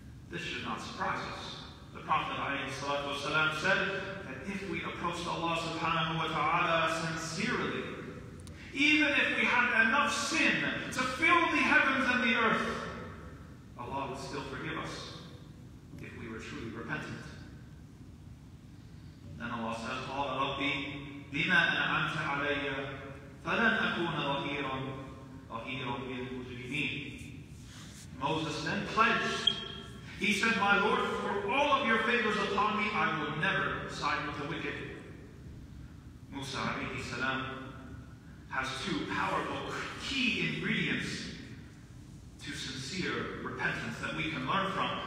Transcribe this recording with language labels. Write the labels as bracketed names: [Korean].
[English] This should not surprise us. The Prophet said that if we approached Allah subhanahu wa ta'ala sincerely, even if we had enough sin to fill the heavens and the earth, Allah would still forgive us if we you're truly repentant. Then Allah says, [Arabic] قَالَ رَبِّي بِمَا أَنْعَمْتَ عَلَيَّ فَلَنْ أَكُونَ ظَهِيرًا لِلْمُجْرِمِينَ. [English] Moses then pledged. He said, my Lord, for all of your favors upon me, I will never side with the wicked. Musa alayhi salam has two powerful key ingredients to sincere repentance that we can learn from.